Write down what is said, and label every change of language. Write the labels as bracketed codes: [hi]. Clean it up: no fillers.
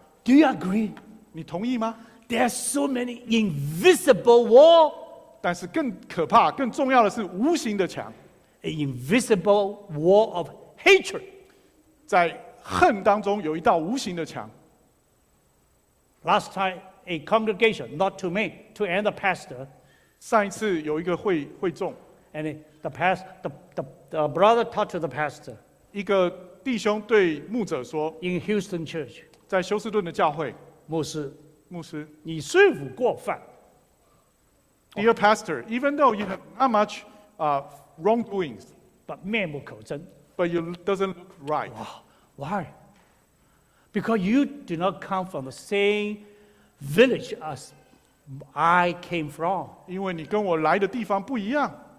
[en] Do you agree? [zh] 你同意吗？ [en] There are so many invisible walls. [zh] 但是更可怕，更重要的是无形的墙。 [en] An invisible wall of hatred. [zh] 在恨当中有一道无形的墙。 [en] Last time,A congregation, not to me, to another pastor. [zh] 上一次有一个会众 [en] and the brother talked to the pastor. [zh] 一个弟兄对牧者说 [en] In Houston Church, [zh] 在休斯顿的教会，牧师，你虽无过犯 [en] Dear pastor, even though you have not much wrongdoings, but [zh] 面目可憎 [en] but you doesn't look right. Wow, why? Because you do not come from the same. Village as I came from. [zh] 因为你跟我来的地方不一样。